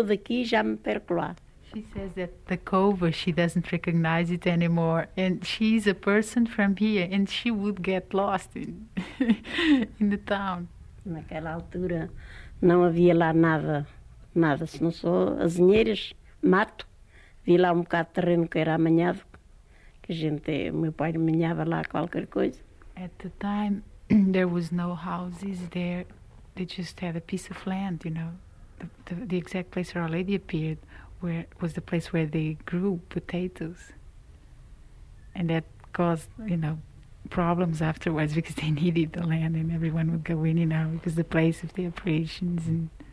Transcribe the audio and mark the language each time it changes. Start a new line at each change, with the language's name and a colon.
English: She says that the cove, she doesn't recognize it anymore, and she's a person from here, and she would get lost in the town.
Portuguese: Naquela altura não havia lá nada. Nada, se não sou azinheiras, mato. Vi lá um bocado de terreno que era amanhado, que a gente, meu pai amanhava lá qualquer coisa.
English: At the time, there was no houses there. They just had a piece of land, you know. The exact place where our lady appeared where was the place where they grew potatoes. And that caused, you know, problems afterwards because they needed the land and everyone would go in, you know, because the place of the apparitions and...